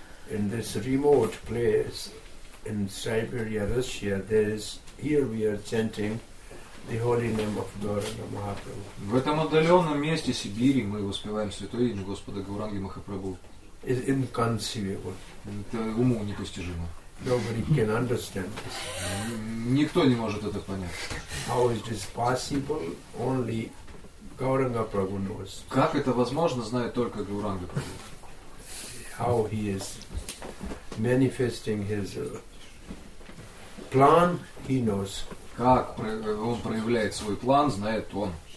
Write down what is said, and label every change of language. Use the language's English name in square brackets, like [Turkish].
[English] In this remote place in Siberia, Russia, there is here we are chanting the holy name of Gauranga Mahaprabhu. [Russian] В этом отдаленном месте Сибири мы воспеваем святое имя Господа Гауранги Махапрабху. [English] It's inconceivable. [Russian] Это уму непостижимо. [English] Nobody can understand this. [Russian] Никто не может это понять. [English] How is this possible? Only Gauranga Prabhu knows. [Russian] Как это возможно, знает только Гауранга Прабху. [English] How he is manifesting his plan, he knows. [Russian] Как он проявляет свой план, знает он.